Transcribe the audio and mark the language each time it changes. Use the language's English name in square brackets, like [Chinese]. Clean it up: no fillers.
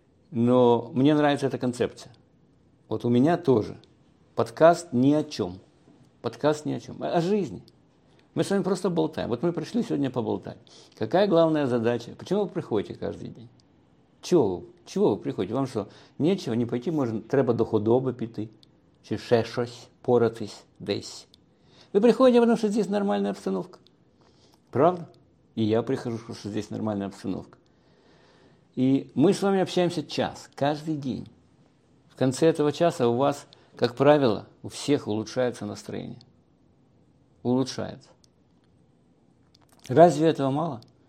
[Russian] Но мне нравится эта концепция. Вот у меня тоже. Подкаст ни о чем. Подкаст ни о чем. О жизни. Мы с вами просто болтаем. Вот мы пришли сегодня поболтать. Какая главная задача? Почему вы приходите каждый день? Чего вы приходите? Вам что, нечего не пойти? [Ukrainian] Можно, треба до худобы піти. Чи ще щось, поратись десь. [Russian] Вы приходите, потому что здесь нормальная обстановка. Правда? И я прихожу, потому что здесь нормальная обстановка. И мы с вами общаемся час, каждый день. В конце этого часа у вас, как правило, у всех улучшается настроение. Улучшается. Разве этого мало?